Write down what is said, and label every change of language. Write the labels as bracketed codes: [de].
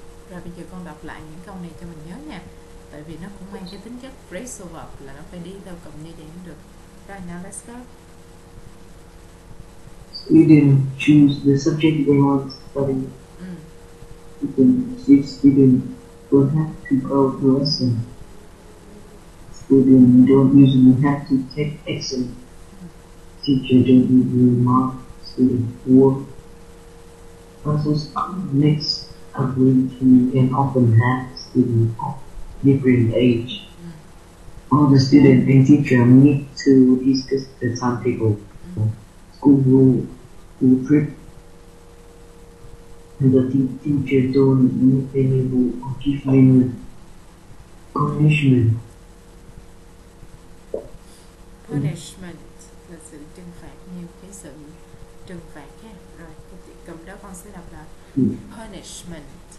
[vi] Rồi bây giờ con đọc lại những câu này cho mình nhớ nha. Tại vì nó cũng mang cái tính chất phrase of verb là nó phải đi theo cụm như vậy mới được. [en] Right now let's go. Student choose the subject they want to study. Student don't have to go to lesson. Student don't usually have to take exam. Teacher don't usually mark student work. Classes are mixed, ability and often have students of different age. All the students and teacher need to discuss the timetable, school rule, school trip. And the teacher don't need any rule or give any punishment. [vi] Là sự trừng phạt như cái sự trừng phạt ha. Rồi cái cụm đó con sẽ đọc là punishment.